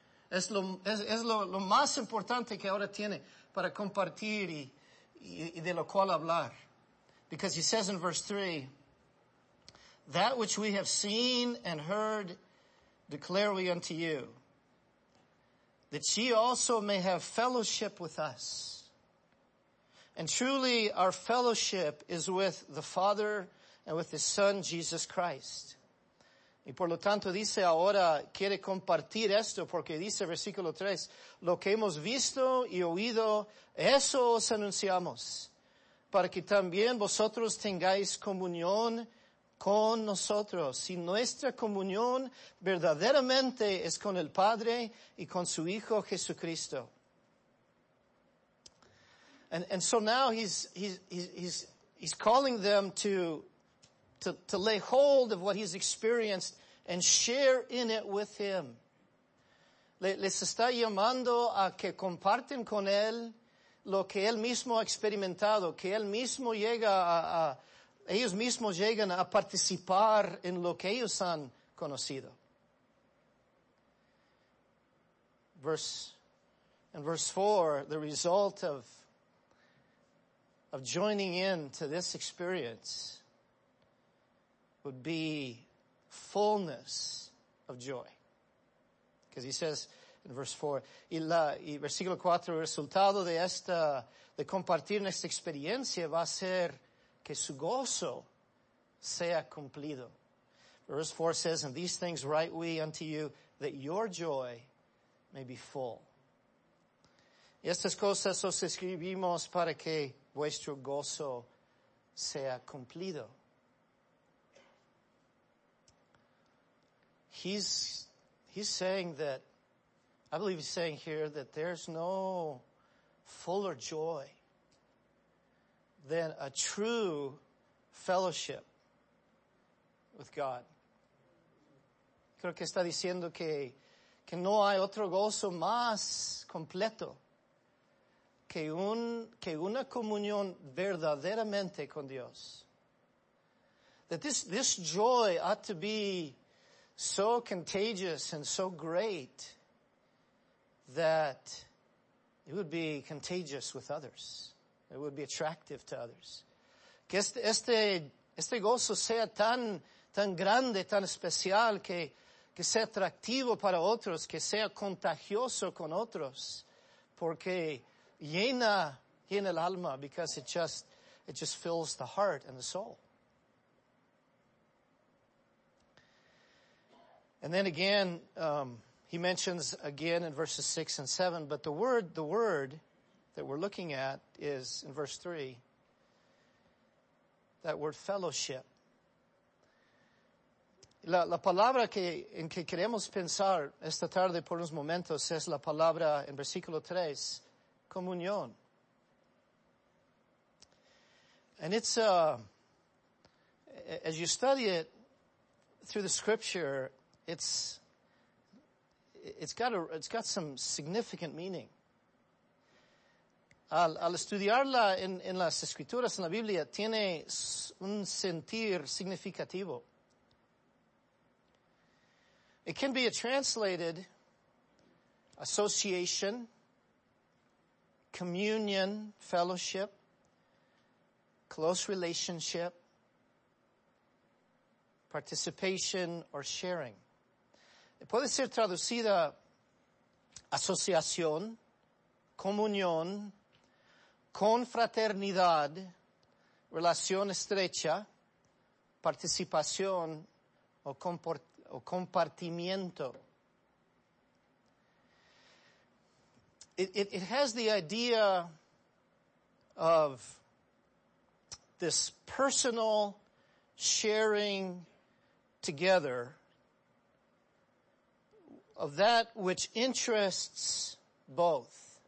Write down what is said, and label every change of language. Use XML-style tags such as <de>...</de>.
<es>Es lo más importante que ahora tiene para compartir y de lo cual hablar.</es> <en>Because he says in verse 3, that which we have seen and heard declare we unto you, that ye also may have fellowship with us. And truly our fellowship is with the Father and with his Son, Jesus Christ.</en> <es>Y por lo tanto dice ahora, quiere compartir esto, porque dice versículo 3, lo que hemos visto y oído, eso os anunciamos, para que también vosotros tengáis comunión con nosotros. Y nuestra comunión verdaderamente es con el Padre y con su Hijo Jesucristo.</es> <en>And so now he's calling them to lay hold of what he's experienced and share in it with him.</en> <es>Les está llamando a que comparten con él lo que él mismo ha experimentado, que él mismo llega a ellos mismos llegan a participar en lo que ellos han conocido.</es> <en>Verse 4, the result of joining in to this experience would be fullness of joy. Because he says in verse 4,</en> <es>y versículo 4, el resultado de esta, de compartir esta experiencia va a ser que su gozo sea cumplido.</es> <en>Verse 4 says, and these things write we unto you, that your joy may be full.</en> <es>Y estas cosas os escribimos para que vuestro gozo sea cumplido.</es> <en>He's saying that, I believe he's saying here that there's no fuller joy than a true fellowship with God.</en> <es>Creo que está diciendo que no hay otro gozo más completo que una comunión verdaderamente con Dios.</es> <en>That this joy ought to be so contagious and so great that it would be contagious with others. It would be attractive to others.</en> <es>Que este gozo sea tan grande, tan especial, que sea atractivo para otros, que sea contagioso con otros, porque llena el alma,</es> <en>because it just fills the heart and the soul. And then again, he mentions again in verses 6 and 7, but the word that we're looking at is in verse 3, that word fellowship.</en> <es>La palabra en que queremos pensar esta tarde por unos momentos es la palabra en versículo 3, comunión.</es> <en>And it's, as you study it through the scripture, it's got some significant meaning.</en> <es>Al estudiarla en las escrituras, en la Biblia, tiene un sentir significativo.</es> <en>It can be a translated association, communion, fellowship, close relationship, participation, or sharing.</en> <es>Puede ser traducida asociación, comunión, confraternidad, relación estrecha, participación, o compartimiento.</es> <en>It has the idea of this personal sharing together of that which interests both.</en>